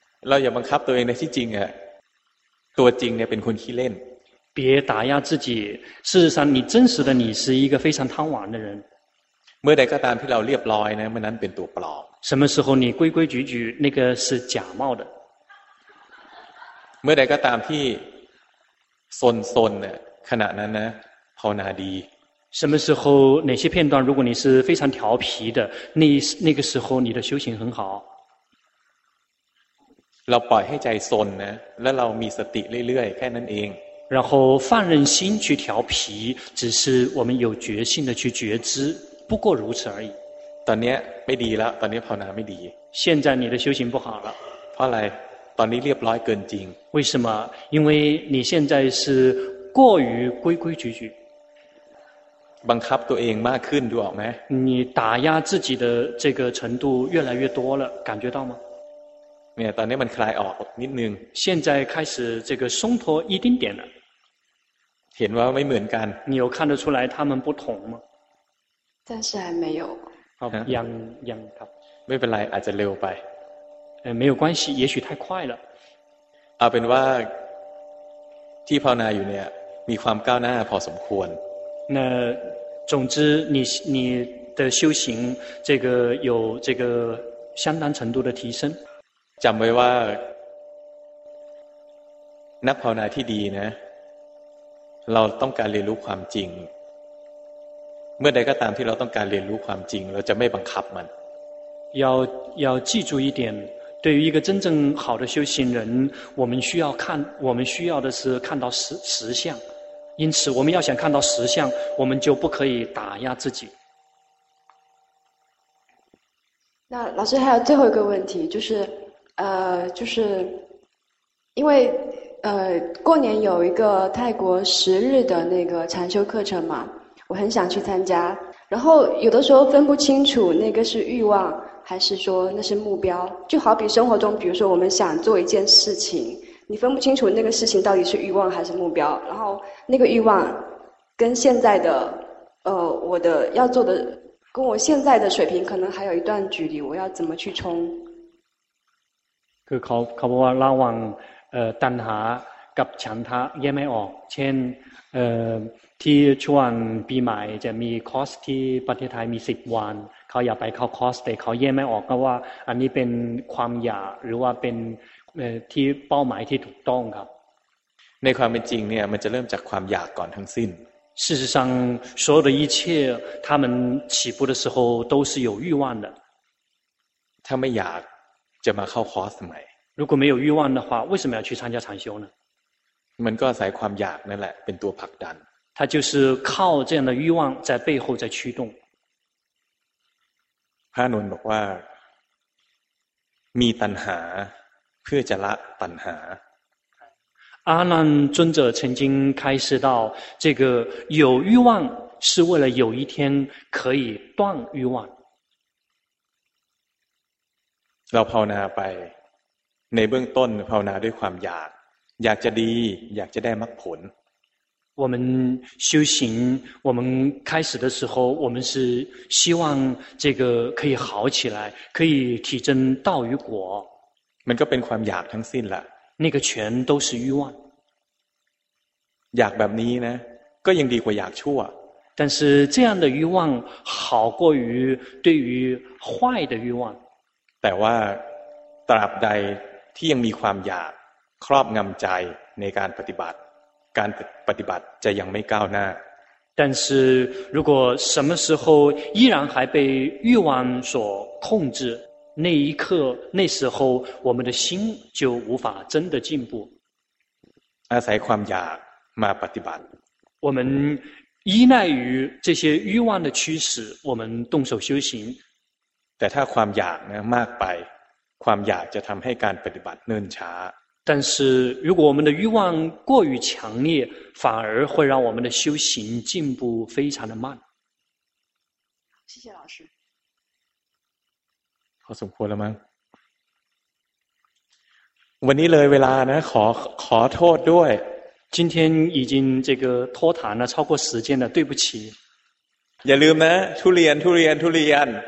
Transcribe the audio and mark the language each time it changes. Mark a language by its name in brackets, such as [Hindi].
[Thai] ราอย่าบังคับตัวเองในที่จริงอ่ะตัวจริงเนี่ยเป็นคนขี้เล่น [Chinese] 别打压自己，事实上你真实的你是一个非常贪玩的人。 [Thai] เมื่อใดก็ตามที่เราเรียบร้อยนะมันนั้นเป็นตัวปลอม [Chinese] 什么时候你规规矩矩那个是假冒的。 [Thai] เมื่อใดก็ตามที่ซนๆเนี่ยขณะนั้นนะภาวนาดี [Chinese] 什么时候哪些片段如果你是非常调皮的那个时候你的修行很好 [Thai] เราปล่อยให้ใจสนนะแล้วเรามีสติเรื่อยๆแค่นั้นเอง [Chinese] 然后放任心去调皮只是我们有决心的去觉知不过如此而已 [Thai] ตอนนี้ไม่ดีแล้วตอนนี้ภาวนาไม่ดี [Chinese] 现在你的修行不好了 [Thai] เพราะอะไรตอนนี้เรียบร้อยเกินจริง [Chinese] 为什么因为你现在是过于规规矩矩 [Thai] บังคับตัวเองมากขึ้นดูออกไหม [Chinese] 你打压自己的这个程度越来越多了感觉到吗 [Thai] เนี่ยตอนนี้มันคลายออกนิดนึง [Chinese] 现在开始这个松脱一丁点了 [Thai] เห็นว่าไม่เหมือนกัน [Chinese] 你有看得出来他们不同吗暂时还没有 [Thai] ยังครับ ไม่เป็นไรอาจจะเร็วไป [Chinese] 没有关系也许太快了 [Thai] เอาเป็นว่าที่ภาวนาอยู่เนี่ยมีความก้าวหน้าพอสมควร [Chinese] 那总之你的修行这个有这个相当程度的提升 [Thai] จำไว้ว่านักภาวนาที่ดีนะเราต้องการเรียนรู้ความจริงเมื่อใดก็ตามที่เราต้องการเรียนรู้ความจริงเราจะไม่บังคับมัน [Chinese] 要记住一点对于一个真正好的修行人我们需要的是看到实相因此我们要想看到实相我们就不可以打压自己那老师还有最后一个问题就是就是因为过年有一个泰国十日的那个禅修课程嘛我很想去参加然后有的时候分不清楚那个是欲望还是说那是目标就好比生活中比如说我们想做一件事情你分不清楚那个事情到底是欲望还是目标然后那个欲望跟现在的我的要做的跟我现在的水平可能还有一段距离我要怎么去冲 [Thai] คือเขาบอกว่าระวังตัณหากับฉันทะแยกไม่ออกเช่นที่ช่วงปีใหม่จะมีคอร์สที่ประเทศไทยมี10วันเขาอยากไปเข้าคอร์สแต่เขาแยกไม่ออกก็ว่าอันนี้เป็นความอยากหรือว่าเป็นที่เป้าหมายที่ถูกต้องครับ ในความเป็นจริงเนี่ยมันจะเริ่มจากความอยากก่อนทั้งสิ้น [Chinese] 事实上所有的一切他们起步的时候都是有欲望的 [Thai] ถ้าไม่อยากจะมาเข้าคอร์สทำไม [Chinese] 如果没有欲望的话为什么要去参加禅修呢 [Thai] มันก็อาศัยความอยากนั่นแหละเป็นตัวผลักดัน [Chinese] 它就是靠这样的欲望在背后在驱动 [Thai] พระอานนท์บอกว่ามีตัณหาเพื่อจะละตัณหา [Chinese] 阿难尊者曾经开示到这个有欲望是为了有一天可以断欲望 [Thai] เราภาวนาไปในเบื้องต้นภาวนาด้วยความอยากอยากจะดีอยากจะได้มรรคผล [Chinese] 我们修行我们开始的时候我们是希望这个可以好起来可以体证道与果 [Thai] มันก็เป็นความอยากทั้งสิ้นล่ะ [Chinese] 那个全都是欲望 [Thai] อยากแบบนี้นะก็ยังดีกว่าอยากชั่ว [Chinese] 但是这样的欲望好过于对于坏的欲望 [Thai] แต่ว่าตราบใดที่ยังมีความอยากครอบงำใจในการปฏิบัติการปฏิบัติจะยังไม่ก้าวหน้า [Chinese] 但是如果什么时候依然还被欲望所控制那一刻那时候我们的心就无法真的进步 [Thai] อาศัยความอยากมาปฏิบัติ [Chinese] 我们依赖于这些欲望的驱使我们动手修行但 [Thai] ถ้าความอยากเนี่ยมากไปความอยากจะทำให้การปฏิบัติเนิ่นช้า [Chinese] 但是如果我们的欲望过于强烈反而会让我们的修行进步非常的慢谢谢老师 [Thai] พอสมควรแล้วมั้งวันนี้เลยเวลานะขอโทษด้วย [Chinese] 今天已经这个拖堂了超过时间了对不起 [Thai] อย่าลืมนะทุเรียนทุเรียนทุเรียน